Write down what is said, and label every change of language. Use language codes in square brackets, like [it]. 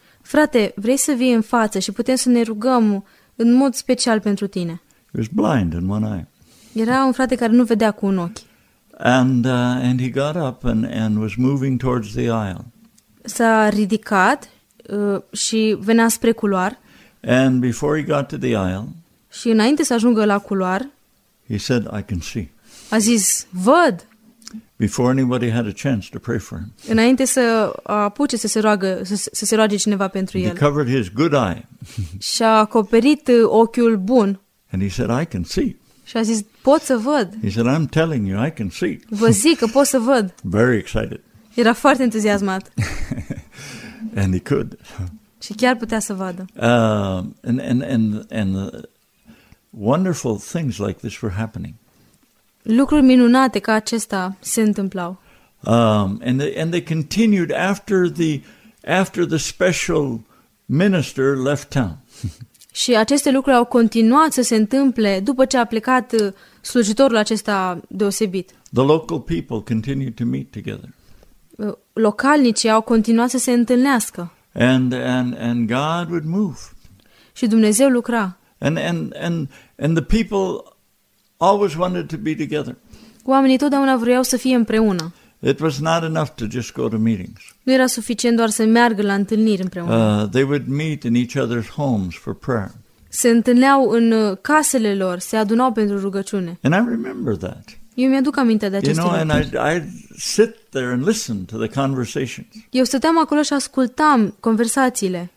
[ro] Frate, vrei să vii în față și putem să ne rugăm în mod special pentru tine. [en] He was blind in one eye. [ro] Era un frate care nu vedea cu un ochi. [en] And he got up and was moving towards the aisle. [ro] S-a ridicat și venea spre culoar. [en] And before he got to the aisle, [ro] și înainte să ajungă la culoar, [en] he said, "I can see." [ro] A zis, "Văd." [en] Before anybody had a chance to pray for him. [ro] Înainte să apuce să se roagă, să se roage cineva pentru el. [en] He covered his good eye. [ro] Și-a acoperit ochiul bun. [en] And he said, "I can see." [ro] Și a zis, pot să văd. [en] He said, I'm telling you, I can see. [ro] Vă zic că pot să văd. [en] Very excited. [ro] Era foarte entuziasmat. [en] And he could. [ro] Și chiar putea să vadă. [en] And wonderful things like this were happening. [ro] Lucruri minunate ca acestea se întâmplau. [en] And they continued after the special minister left town. [ro] Și aceste lucruri au continuat să se întâmple după ce a plecat slujitorul acesta deosebit. [en] The local people continued to meet together. [ro] Localnicii au continuat să se întâlnească. [en] And God would move. [ro] Și Dumnezeu lucra. [en] And the people always wanted to be together. [ro] Oamenii totdeauna vroiau să fie împreună. [en] It was not enough to just go to meetings. [ro] Nu era suficient doar să meargă la întâlniri împreună. [en] They would meet in each other's homes for prayer. [ro] Se întâlneau în casele lor, se adunau pentru rugăciune. [en] And I remember that. [ro] Eu mi-aduc aminte de aceste lucruri. [en] And I'd sit there and listen to the conversations. [ro] Eu stăteam acolo și ascultam conversațiile.